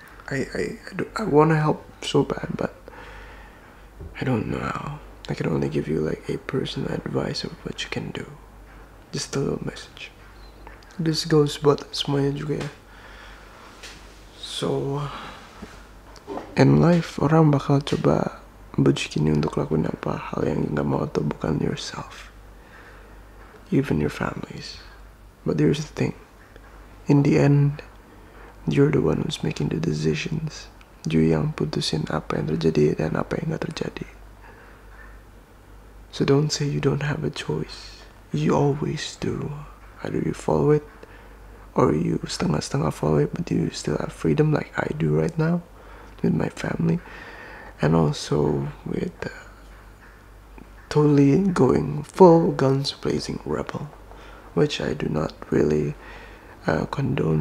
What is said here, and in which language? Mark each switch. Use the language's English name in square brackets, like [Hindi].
[English] I wanna help so bad, but I don't know how. I can only give you like a personal advice of what you can do. Just a little message. This goes [Indonesian] buat semuanya juga ya. [English] So, in life, [Indonesian] orang bakal coba bujukin untuk lakuin apa hal yang gak mau atau bukan [English] yourself. Even your families. But here's the thing. In the end, you're the one who's making the decisions. [Indonesian] You yang putusin apa yang terjadi dan apa yang gak terjadi. [English] So don't say you don't have a choice. You always do. Either you follow it, or you [Indonesian] setengah-setengah [English] follow it, but you still have freedom like I do right now. With my family, and also with totally going full guns blazing rebel, which I do not really condone.